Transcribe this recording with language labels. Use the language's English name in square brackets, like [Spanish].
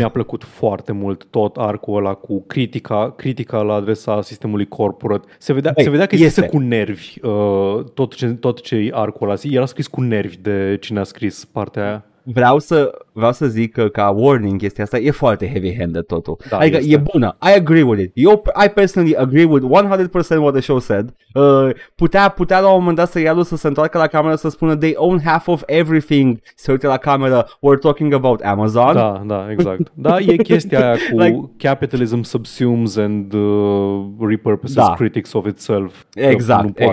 [Romanian] Mi-a plăcut foarte mult tot arcul ăla cu critica la adresa sistemului corporate. Se vedea că este cu nervi tot ce arcul ăla. Era scris cu nervi de cine a scris partea aia. Vreau să zic că ca warning chestia asta e foarte heavy-handed totul. Da, adică este. E bună. [English] I agree with it. I personally agree with 100% what the show said. [Romanian] Putea la un moment dat serialul să se întoarcă la cameră să spună [English] they own half of everything. [Romanian] Se uite la cameră, [English] we're talking about Amazon. [Romanian] Da, da, exact. Da, e chestia aia cu like, [English] capitalism subsumes and repurposes critics of itself. [Romanian] Exact, nu poate